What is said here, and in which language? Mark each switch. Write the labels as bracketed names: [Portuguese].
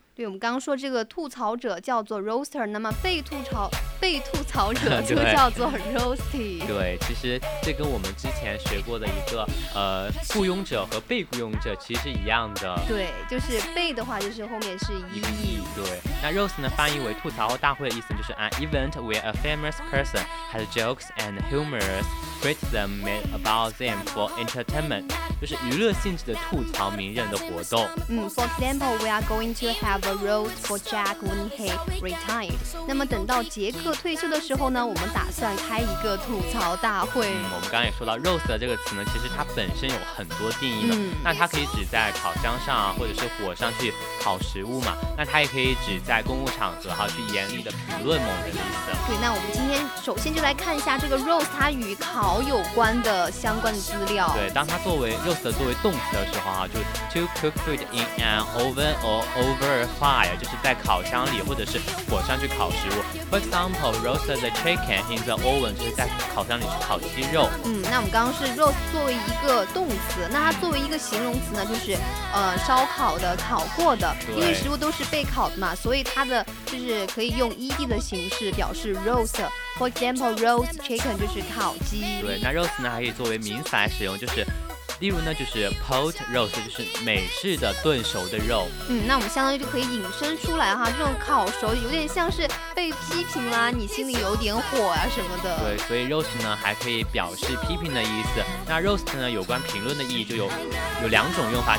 [Chinese] 对，我们刚刚说这个吐槽者叫做 roaster， 那么被吐槽者就叫做 roasty。对，其实这跟我们之前学过的一个雇佣者和被雇佣者其实是一样的。对，就是被的话就是后面是一。 [English] 对，那 roast 呢 [Chinese] 翻译为吐槽大会的意思就是 [English] an event where a famous person has jokes and humorous criticism made about them for entertainment， [Chinese] 就是娱乐性质的吐槽名人的活动。嗯， [English] for example we are going to have a roast for Jack when he retired， [Chinese] 那么等到杰克退休的时候呢，我们打算开一个吐槽大会。嗯，我们刚才也说到 roast 这个词呢其实它本身有很多定义的。那它可以指在烤箱上啊，或者是火上去烤食物嘛，那它也可以指在公共场合哈，去严厉的评论某人的意思。对，那我们今天首先就来看一下这个 roast 它与烤有关的相关的资料。对，当它作为 roast 作为动词的时候哈，就 [English] to cook food in an oven or over fire， [Chinese] 就是在烤箱里或者是火上去烤食物。 [English] for example roast the chicken in the oven， [Chinese] 就是在烤箱里去烤鸡肉。嗯，那我们刚刚是 roast 作为一个动词，那它作为一个形容词呢就是烧烤的，烤过的。因为食物都是被烤的嘛，所以它的就是可以用 ed 的形式表示 roast。 [English] For example, roast chicken [Chinese] 就是烤鸡。对，那 roast 呢还可以作为名词来使用，就是例如呢就是 pot roast， 就是美式的炖熟的肉。嗯，那我们相当于就可以引申出来哈，这种烤熟有点像是被批评啦，你心里有点火啊什么的。对，所以 roast 呢还可以表示批评的意思。那 roast 呢有关评论的意义就有两种用法。